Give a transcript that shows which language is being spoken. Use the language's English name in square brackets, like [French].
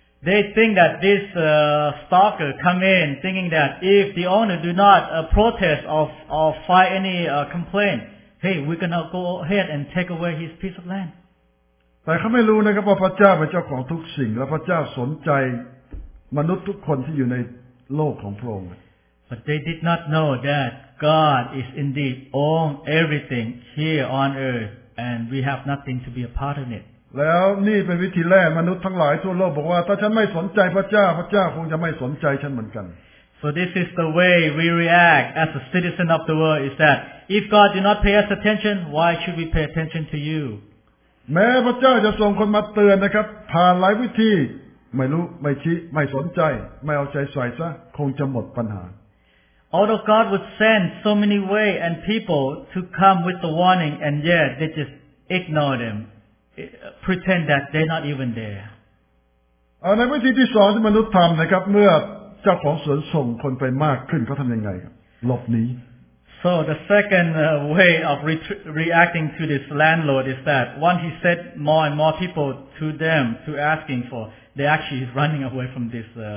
[English] They think that this stalker come in thinking that if the owner do not protest or file any complaint, hey, we're gonna go ahead and take away his piece of land. [Thai] แต่เขาไม่รู้นะครับว่าพระเจ้าเป็นเจ้าของทุกสิ่งและพระเจ้าสนใจมนุษย์ทุกคนที่อยู่ในโลกของพระองค์ [English] But they did not know that God is indeed own everything here on earth, and we have nothing to be a part of it. [Thai] แล้วนี่เป็นวิธีแรกมนุษย์ทั้งหลายทั่วโลกบอกว่าถ้าฉันไม่สนใจพระเจ้าพระเจ้าคงจะไม่สนใจฉันเหมือนกัน [English] So this is the way we react as a citizen of the world. Is that if God do not pay us attention, why should we pay attention to you? [Thai] แม้พระเจ้าจะส่งคนมาเตือนนะครับผ่านหลายวิธีไม่รู้ไม่ชี้ไม่สนใจไม่เอาใจใส่ซะคงจะหมดปัญหา [English] Although God would send so many ways and people to come with the warning, and yet they just ignore them, pretend that they're not even there. [Thai] ในวิธีที่สองที่มนุษย์ทำนะครับเมื่อเจ้าของสวนส่งคนไปมากขึ้นเขาทำยังไงหลบหนี [English] So the second way of reacting to this landlord is that once he sent more and more people to them to asking for, they actually is running away from this.